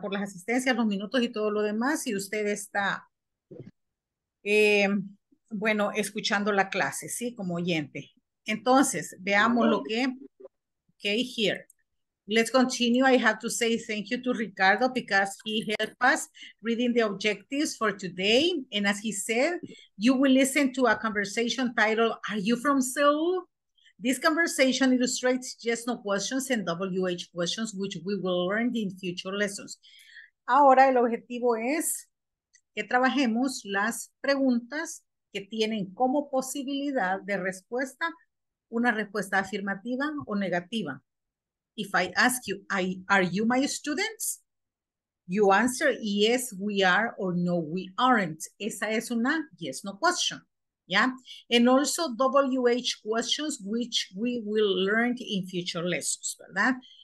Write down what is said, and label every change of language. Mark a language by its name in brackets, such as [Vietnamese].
[Spanish] Por las asistencias, los minutos y todo lo demás, y usted está, bueno, escuchando la clase, ¿sí? Como oyente. Entonces, veamos lo que, [English] okay, here. Let's continue. I have to say thank you to Ricardo because he helped us reading the objectives for today. And as he said, you will listen to a conversation titled, Are You From Seoul? This conversation illustrates yes, no questions and WH questions, which we will learn in future lessons. [Spanish] Ahora el objetivo es que trabajemos las preguntas que tienen como posibilidad de respuesta una respuesta afirmativa o negativa. [English] If I ask you, are you my students? You answer yes, we are, or no, we aren't. [Spanish] Esa es una [English] yes, no question. Yeah, and also WH questions, which we will learn in future lessons, ¿verdad?